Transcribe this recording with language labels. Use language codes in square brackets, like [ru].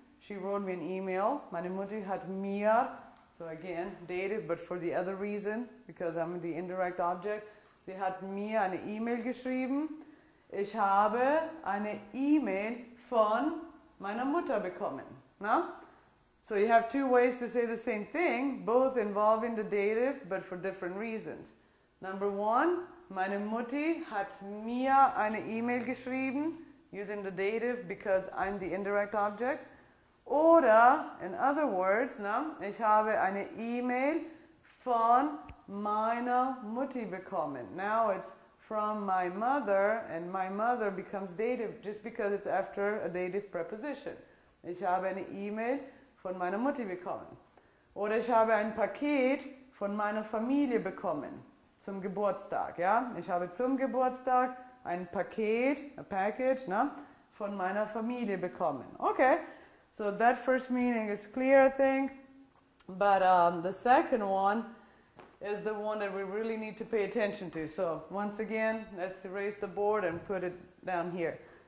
[en] She wrote me an email. [de] Meine Mutti hat mir, [en] so again, dative, but for the other reason, because I'm the indirect object, [de] sie hat mir eine E-Mail geschrieben. Ich habe eine E-Mail von meiner Mutter bekommen. Na? [en] So you have two ways to say the same thing, both involving the dative, but for different reasons. Number one, [de] meine Mutti hat mir eine E-Mail geschrieben, [en] using the dative because I'm the indirect object. [de] Oder, [en] in other words, [de] na, ich habe eine E-Mail von meiner Mutti bekommen. [en] Now it's from my mother, and my mother becomes dative just because it's after a dative preposition. [de] Ich habe eine E-Mail von meiner Mutti bekommen. Oder ich habe ein Paket von meiner Familie bekommen zum Geburtstag. Ja? Ich habe zum Geburtstag ein Paket, [en] a package, [de] na, von meiner Familie bekommen. [en] Okay, so that first meaning is clear, I think. But the second one is the one that we really need to pay attention to. So once again, let's erase the board and put it down here.